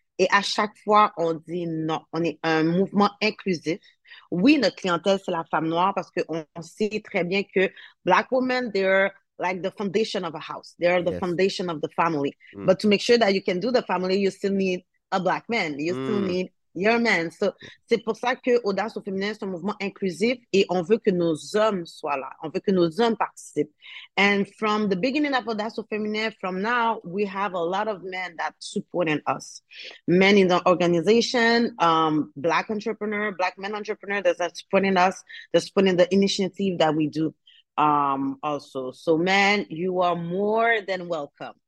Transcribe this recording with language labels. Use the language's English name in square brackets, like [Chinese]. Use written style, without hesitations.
[French] Et à chaque fois, on dit non. On est un mouvement inclusif. Oui, notre clientèle, c'est la femme noire parce qu'on sait très bien que [English] black women, they're like the foundation of a house. They're the yes. foundation of the family. Mm. But to make sure that you can do the family, you still need a black man. You still need your man. [French] So c'est pour ça que Audace au Féminin, c'est un mouvement inclusif et on veut que nos hommes soient là. On veut que nos hommes participent. [English] And from the beginning of Audace au Féminin, from now, we have a lot of men that supporting us. Men in the organization, black entrepreneur, black men entrepreneur that are supporting us, that's supporting the initiative that we do. Also, so men, you are more than welcome.